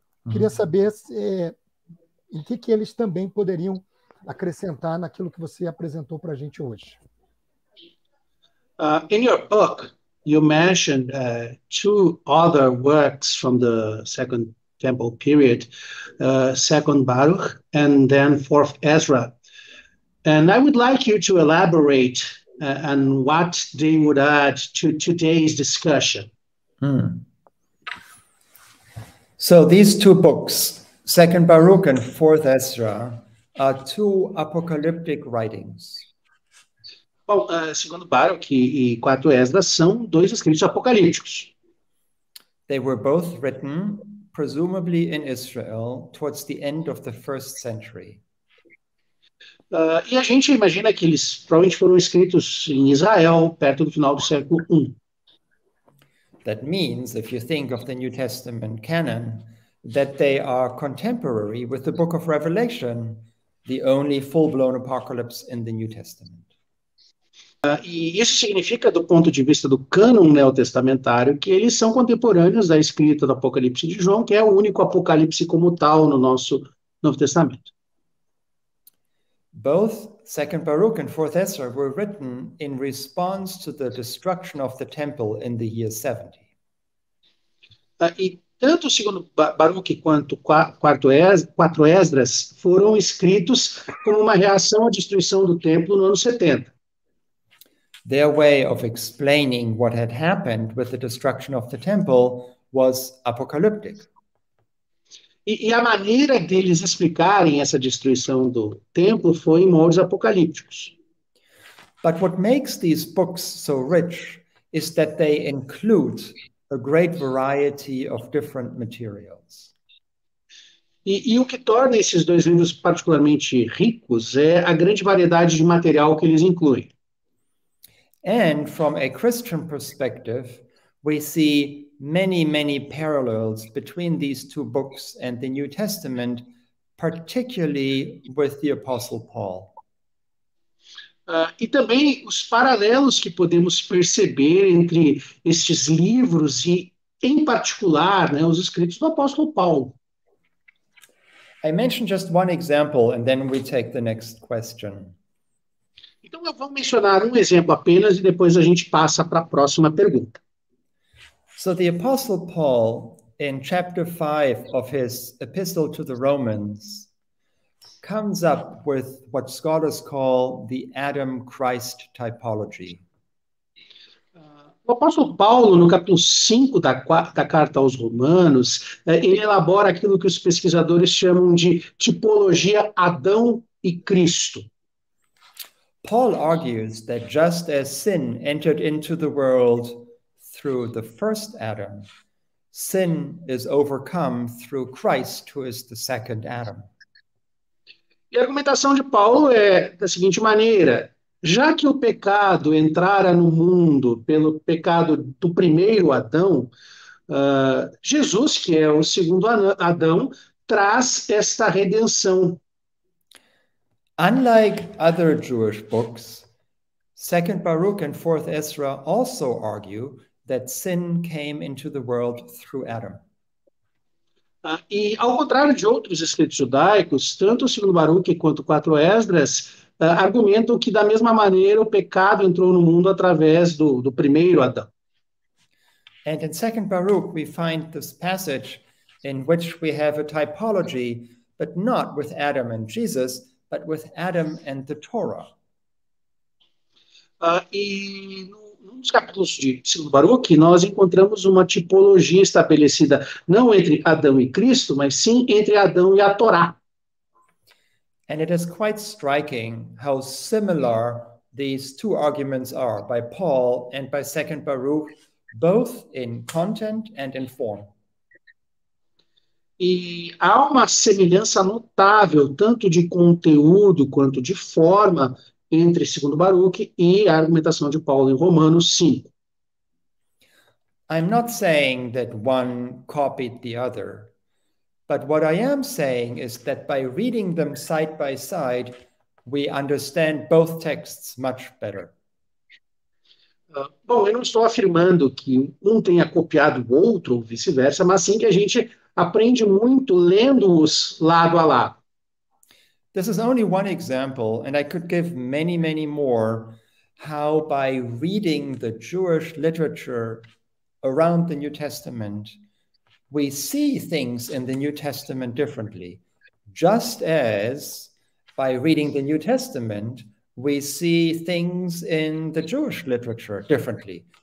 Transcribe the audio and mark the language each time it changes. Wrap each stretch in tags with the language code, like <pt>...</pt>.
<pt>Queria saber em que eles também poderiam acrescentar naquilo que você apresentou para a gente hoje.</pt> <en>In your book, you mentioned two other works from the Second Temple period, Second Baruch, and then Fourth Ezra. And I would like you to elaborate on what they would add to today's discussion. Hmm. So these two books, Second Baruch and Fourth Ezra, are two apocalyptic writings.</en> <pt>Bom, Segundo Baruch e Quarto Ezra são dois escritos apocalípticos.</pt> <en>They were both written, presumably in Israel, towards the end of the first century.</en> <pt>E a gente imagina que eles provavelmente foram escritos em Israel, perto do final do século I.</pt> <en>That means, if you think of the New Testament canon, that they are contemporary with the Book of Revelation, the only full-blown apocalypse in the New Testament.</en> <pt>E isso significa, do ponto de vista do cânon neotestamentário, que eles são contemporâneos da escrita do Apocalipse de João, que é o único apocalipse como tal no nosso Novo Testamento.</pt> <en>Both Second Baruch and Fourth Ezra were written in response to the destruction of the temple in the year 70.</en> <pt>E tanto o Segundo Baruch quanto Quarto Esdras foram escritos como uma reação à destruição do templo no ano 70.</pt> <en>Their way of explaining what had happened with the destruction of the temple was apocalyptic.</en> <pt>E a maneira deles explicarem essa destruição do templo foi em moldes apocalípticos.</pt> <en>But what makes these books so rich is that they include a great variety of different materials.</en> <pt>E o que torna esses dois livros particularmente ricos é a grande variedade de material que eles incluem.</pt> <en>And from a Christian perspective, we see many, many parallels between these two books and the New Testament, particularly with the Apostle Paul.</en> <pt>E também os paralelos que podemos perceber entre estes livros e, em particular, né, os escritos do Apóstolo Paulo.</pt> <en>I mentioned just one example, and then we take the next question.</en> <pt>Então eu vou mencionar um exemplo apenas e depois a gente passa para a próxima pergunta.</pt> <en>So the Apostle Paul, in chapter 5 of his epistle to the Romans, comes up with what scholars call the Adam-Christ typology.</en> <pt>O Apóstolo Paulo, no capítulo 5 da carta aos Romanos, ele elabora aquilo que os pesquisadores chamam de tipologia Adão e Cristo.</pt> <en>Paul argues that just as sin entered into the world through the first Adam, sin is overcome through Christ, who is the second Adam.</en> <pt>E a argumentação de Paulo é da seguinte maneira: já que o pecado entrara no mundo pelo pecado do primeiro Adão, Jesus, que é o segundo Adão, traz esta redenção.</pt> <en>Unlike other Jewish books, Second Baruch and Fourth Ezra also argue that sin came into the world through Adam.</en> <pt>E ao contrário de outros escritos judaicos, tanto o Segundo Baruch quanto o Quatro Esdras argumentam que da mesma maneira o pecado entrou no mundo através do primeiro Adão.</pt> <en>And in Second Baruch we find this passage in which we have a typology, but not with Adam and Jesus, but with Adam and the Torah.</en> <pt>E num dos capítulos de Segundo Baruch, nós encontramos uma tipologia estabelecida não entre Adão e Cristo, mas sim entre Adão e a Torá.</pt> <en>And it is quite striking how similar these two arguments are by Paul and by Second Baruch, both in content and in form.</en> <pt>E há uma semelhança notável, tanto de conteúdo quanto de forma, entre Segundo Baruch e a argumentação de Paulo em Romanos 5.</pt> <en>I'm not saying that one copied the other. But what I am saying is that by reading them side by side, we understand both texts much better.</en> <pt>Bom, eu não estou afirmando que um tenha copiado o outro, ou vice-versa, mas sim que a gente aprende muito lendo-os lado a lado.</pt> <en>This is only one example, and I could give many, many more, how by reading the Jewish literature around the New Testament, we see things in the New Testament differently, just as by reading the New Testament, we see things in the Jewish literature differently.</en>